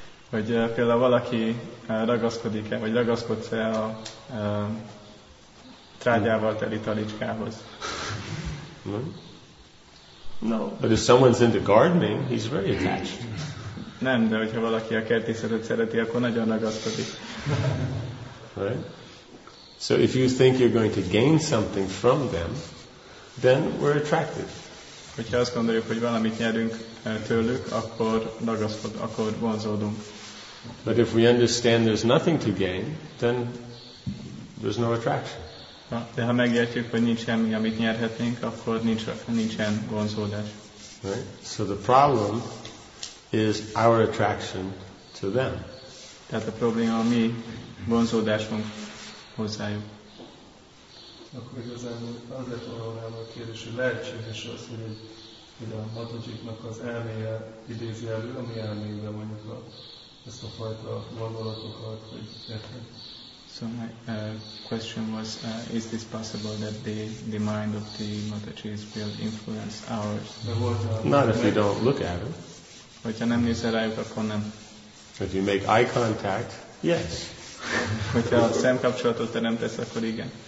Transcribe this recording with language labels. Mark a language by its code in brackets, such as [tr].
[hu] Hogy például valaki ragaszkodik-e, vagy ragaszkodsz-e a trágyával teli talicskához? [en] No. But if someone's into gardening, he's very attached. [hu] Nem, de hogyha valaki a kertészetet szereti, akkor nagyon ragaszkodik. [en] Right? So if you think you're going to gain something from them, then we're attracted. [hu] Hogyha azt gondoljuk, hogy valamit nyerünk tőlük, akkor ragaszkodunk, akkor vonzódunk. [en] But if we understand there's nothing to gain, then there's no attraction. [hu] De ha megértjük, hogy nincs semmi, amit nyerhetnénk, akkor nincsen vonzódás. [en] Right? So the problem is our attraction to them. [hu] Tehát a probléma a mi vonzódásunk hozzájuk. Akkor igazából az lett volna a kérdés, hogy lehetséges az, hogy a Matocsiknak az elméje idézi elő, ami elméjében mondjuk a ezt a fajta gondolatokat, hogy érted. [en] So my question was, is this possible that the mind of the Mataji will influence ours? Not if you don't look at it. [hu] Hogyha nem nézel rájuk, akkor nem. [en] If you make eye contact, yes. [hu] Hogyha szemkapcsolatot teremtesz, akkor igen.